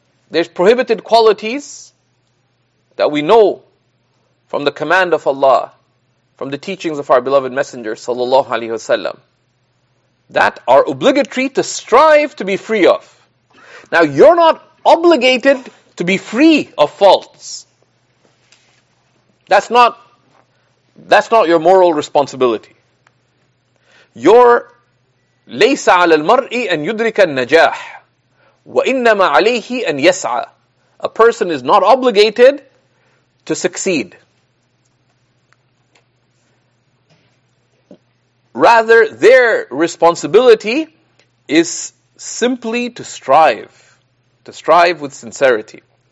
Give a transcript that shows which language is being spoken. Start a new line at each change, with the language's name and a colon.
English: There's prohibited qualities that we know from the command of Allah, from the teachings of our beloved Messenger, sallallahu alaihi wasallam, that are obligatory to strive to be free of. Now, you're not obligated to be free of faults. That's not your moral responsibility.
Arabic: Your ليس على المرء أن يدرك النجاح وإنما عليه أن يسعى.
English: A person is not obligated to succeed. Rather, their responsibility is simply to strive with sincerity.